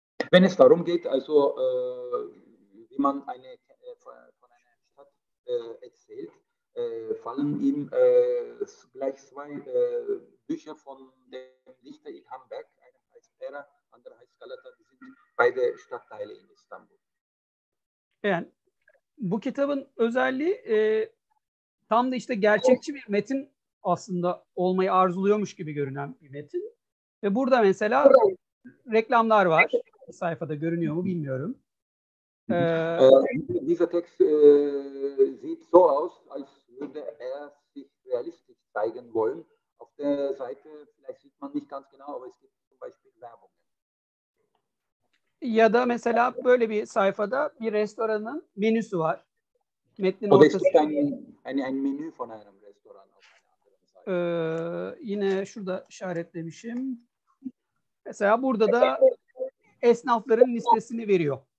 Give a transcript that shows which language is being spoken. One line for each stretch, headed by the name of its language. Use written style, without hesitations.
German: Wenn es darum geht, also wie man eine von einer Stadt erzählt, fallen ihm gleich zwei Bücher von dem Dichter Ilhan Berk, einer heißt Pera, andere heißt Galata, die sind beide Stadtteile in Istanbul.
Turkish: Yani bu kitabın özelliği tam da işte gerçekçi bir metin aslında olmayı arzuluyormuş gibi görünen bir metin. Ve burada mesela reklamlar var. Sayfada görünüyor mu bilmiyorum.
German: Dieser Text sieht so aus, als würde sich realistisch zeigen wollen. Auf der Seite vielleicht sieht man nicht ganz genau, aber es gibt zum Beispiel Werbung.
Turkish: Ya da mesela böyle bir sayfada bir restoranın menüsü var. Metnin ortasında
German: ein Menü von einem Restaurant.
Turkish: Yine şurada işaretlemişim. Mesela burada da esnafların listesini veriyor.